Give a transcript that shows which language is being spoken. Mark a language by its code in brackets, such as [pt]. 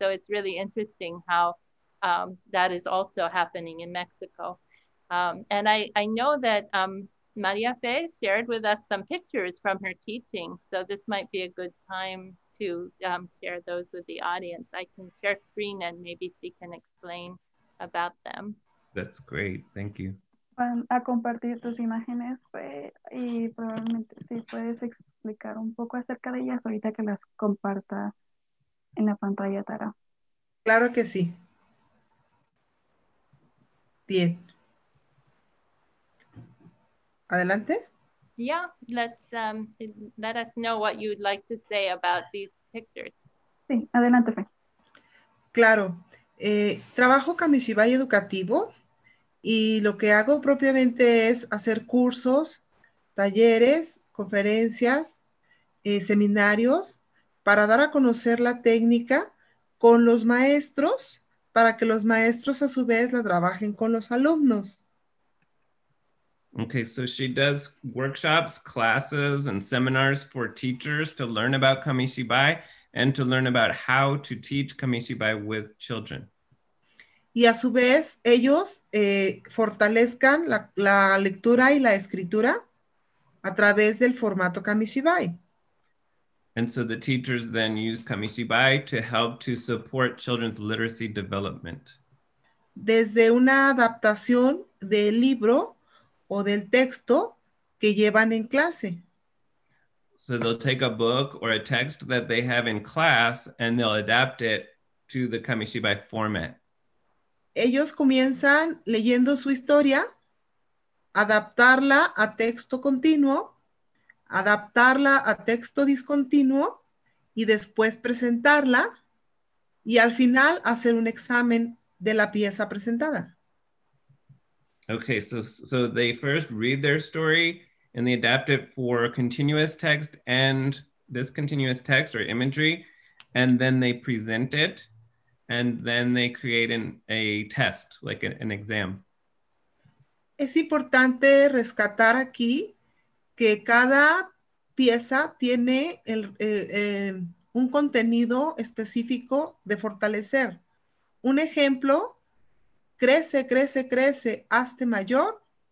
[en] So it's really interesting how that is also happening in Mexico. And I know that Maria Fe shared with us some pictures from her teaching. So this might be a good time to share those with the audience. I can share screen and maybe she can explain about them. That's great, thank you. [es] A compartir tus imágenes y probablemente si puedes explicar un poco acerca de ellas ahorita que las comparta en la pantalla, Tara. Claro que sí. Bien. Adelante. [en] Yeah, let's let us know what you'd like to say about these pictures. [es] Sí, adelante, Fe. Claro. Trabajo Kamishibai educativo y lo que hago propiamente es hacer cursos, talleres, conferencias, seminarios para dar a conocer la técnica con los maestros para que los maestros a su vez la trabajen con los alumnos. [en] Okay, so she does workshops, classes, and seminars for teachers to learn about Kamishibai and to learn about how to teach Kamishibai with children. [es] Y a su vez, ellos fortalezcan la lectura y la escritura a través del formato Kamishibai. [en] And so the teachers then use Kamishibai to help to support children's literacy development. [es] Desde una adaptación del libro o del texto que llevan en clase. [en] So they'll take a book or a text that they have in class and they'll adapt it to the Kamishibai format. [es] Ellos comienzan leyendo su historia, adaptarla a texto continuo, adaptarla a texto discontinuo y después presentarla y al final hacer un examen de la pieza presentada. [en] Okay, so they first read their story and they adapt it for continuous text and discontinuous text or imagery, and then they present it. and then they create a test, like an exam. [es] Es importante rescatar aquí que cada pieza tiene un contenido específico de fortalecer. Un ejemplo, crece, crece, crece, hazte mayor.